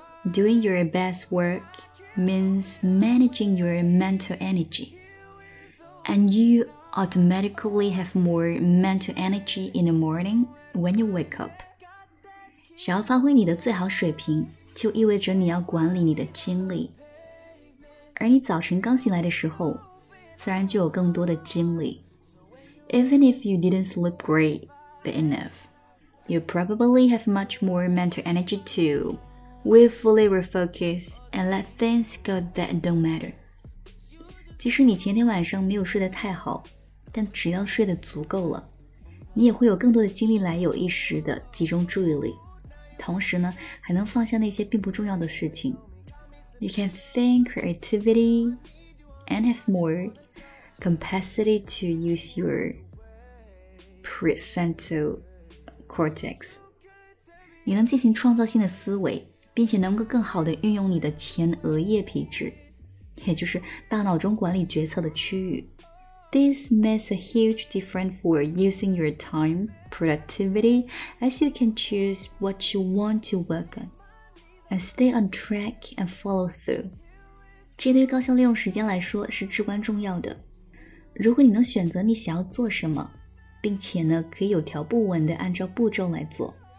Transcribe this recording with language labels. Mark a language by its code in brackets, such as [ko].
[en] Doing your best work means managing your mental energy. And you automatically have more mental energy in the morning when you wake up. [zh] 想要发挥你的最好水平，就意味着你要管理你的精力。而你早晨刚醒来的时候，自然就有更多的精力。 [en] Even if you didn't sleep great, but enough. You probably have much more mental energy too. Willfully refocus and let things go that don't matter. [zh] 即使你前天晚上没有睡得太好，但只要睡得足够了，你也会有更多的精力来有意识地集中注意力，同时呢，还能放下那些并不重要的事情。 [en] You can think creativity and have more capacity to use your prefrontal. [zh] Cortex， 你能进行创造性的思维，并且能够更好地运用你的前额叶皮质，也就是大脑中管理决策的区域。 [en] This makes a huge difference for using your time productivity as you can choose what you want to work on and stay on track and follow through。 [zh] 这对于高效利用时间来说是至关重要的。如果你能选择你想要做什么，并且呢，可以有条不紊地按照步骤来做，